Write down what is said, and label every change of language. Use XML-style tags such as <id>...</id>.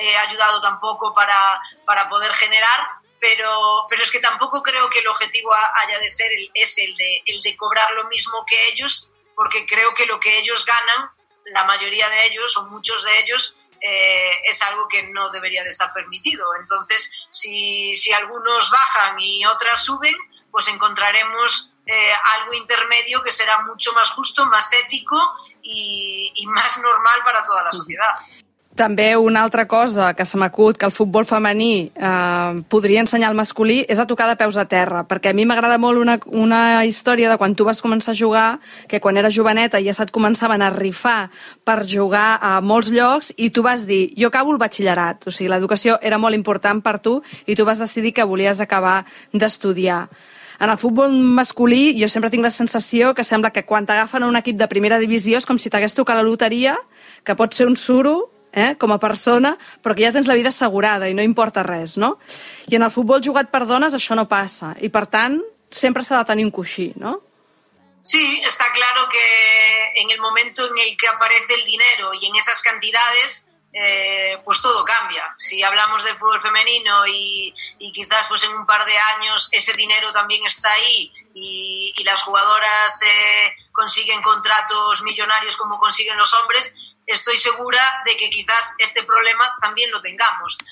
<es>ayudado tampoco para poder generar, pero es que tampoco creo que el objetivo haya de ser el de cobrar lo mismo que ellos, porque creo que lo que ellos ganan, la mayoría de ellos o muchos de ellos, es algo que no debería de estar permitido. Entonces, si algunos bajan y otras suben, pues encontraremos algo intermedio que será mucho más justo, más ético y más normal para toda la sociedad.</es> <ca>També una altra cosa que se m'acut que el futbol femení podria ensenyar al masculí és a tocar de peus a terra, perquè a mi m'agrada molt una història de quan tu vas començar a jugar, que quan eres joveneta ja se't començaven a rifar per jugar a molts llocs i tu vas dir, jo acabo el batxillerat, o sigui, l'educació era molt important per tu i tu vas decidir que volies acabar d'estudiar. En el futbol masculí jo sempre tinc la sensació que sembla que quan t'agafen un equip de primera divisió és com si t'hagués tocat la loteria, que pot ser un suro, com a persona, però que ja tens la vida assegurada i no importa res, no? I en el futbol jugat per dones això no passa i, per tant, sempre s'ha de tenir un coixí, no?</ca> <es>Sí, está claro que en el momento en el que aparece el dinero y en esas cantidades, pues todo cambia. Si hablamos del fútbol femenino y quizás pues en un par de años ese dinero también está ahí y las jugadoras consiguen contratos millonarios como consiguen los hombres, estoy segura de que quizás este problema también lo tengamos.</es>